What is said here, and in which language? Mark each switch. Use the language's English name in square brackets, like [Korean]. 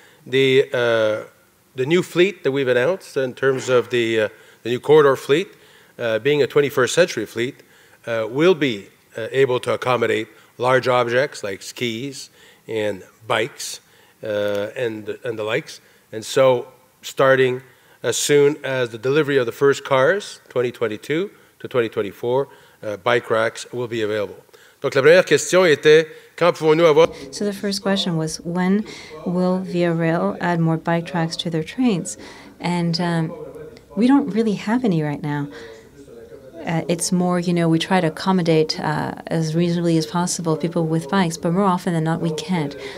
[English] The new fleet that we've announced in terms of the new corridor fleet, being a 21st century fleet, will be able to accommodate large objects like skis and bikes and the likes. And so starting as soon as the delivery of the first cars, 2022, to 2024, bike racks will be available. [French] Donc la première question était, quand pouvons-nous avoir... [English] So the first question was, when will VRL add more bike tracks to their trains? And we don't really have any right now. It's more, you know, we try to accommodate as reasonably as possible people with bikes, but more often than not, we can't.